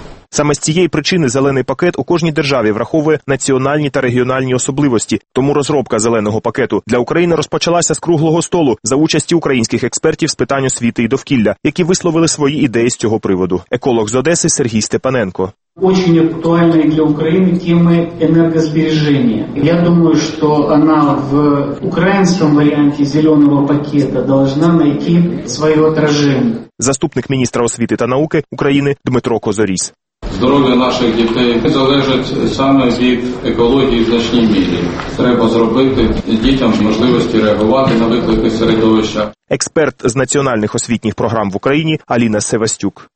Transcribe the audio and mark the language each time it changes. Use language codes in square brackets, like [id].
[uk] Саме з цієї причини зелений пакет у кожній державі враховує національні та регіональні особливості. Тому розробка зеленого пакету для України розпочалася з круглого столу за участі українських експертів з питань освіти і довкілля, які висловили свої ідеї з цього приводу. Еколог з Одеси Сергій Степаненко. [ru] Очень актуальной для Украины темы энергосбережения. Я думаю, что она в украинском варианте зеленого пакета должна найти свое отражение. [uk] Заступник министра освіти та науки України Дмитро Козоріс. Здоров'я наших дітей залежить саме від екології в значній мірі. Треба зробити дітям можливості реагувати на виклики середовища. Експерт з національних освітніх програм в Україні Аліна Севастюк.